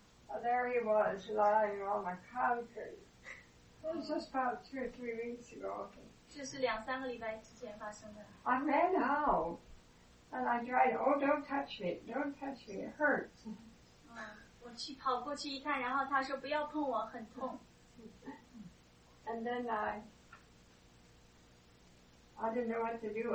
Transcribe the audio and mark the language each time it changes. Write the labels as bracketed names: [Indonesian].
[English] Oh, there he was, lying on the concrete. It was just about two or three weeks ago. [Chinese] 这是两三个礼拜之前发生的。 [English] I ran out. And I tried, oh, don't touch me, don't touch me, it hurts. [Chinese] 我去跑过去一看, 然后他说, 不要碰我, 很痛。 [English] And then I didn't know what to do.